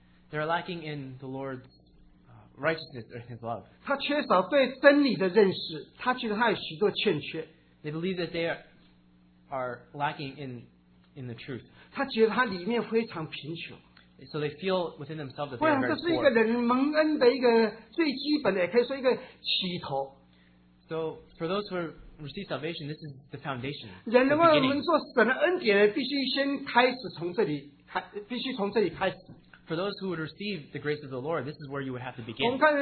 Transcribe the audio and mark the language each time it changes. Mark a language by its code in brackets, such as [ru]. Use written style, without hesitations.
[en] They're lacking in the Lord's righteousness or his love. [zh] 他缺少对真理的认识，他觉得他有许多欠缺。 [en] They believe that they are lacking in the truth. [zh] 他觉得他里面非常贫穷。 [en] So they feel within themselves that they are very poor. [zh] 这是一个人蒙恩的一个最基本的，也可以说一个起头。 [en] So for those who receive salvation, this is the foundation. [zh] 人能够蒙受神的恩典，必须先开始从这里开始。 [en] For those who would receive the grace of the Lord, this is where you would have to begin.